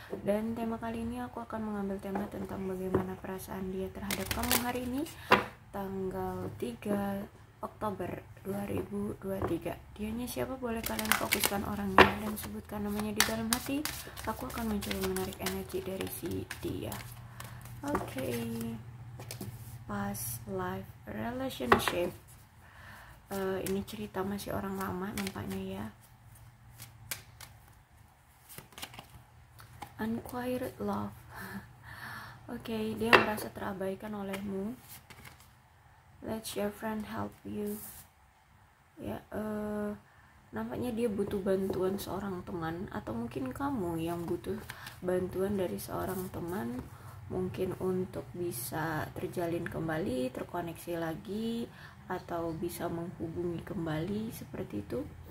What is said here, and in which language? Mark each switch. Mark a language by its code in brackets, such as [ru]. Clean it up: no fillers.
[id] Dan tema kali ini aku akan mengambil tema tentang bagaimana perasaan dia terhadap kamu hari ini, tanggal 3 Oktober 2023. Dianya siapa? Boleh kalian fokuskan orangnya dan sebutkan namanya di dalam hati. Aku akan mencoba menarik energi dari si dia. Okay. [en] Past life relationship. [id] Ini cerita masih orang lama nampaknya ya. [en] Unquiet love. [id] Okay, dia merasa terabaikan olehmu. [en] Let your friend help you. [id] Ya, nampaknya dia butuh bantuan seorang teman, atau mungkin kamu yang butuh bantuan dari seorang teman, mungkin untuk bisa terjalin kembali, terkoneksi lagi, atau bisa menghubungi kembali, seperti itu.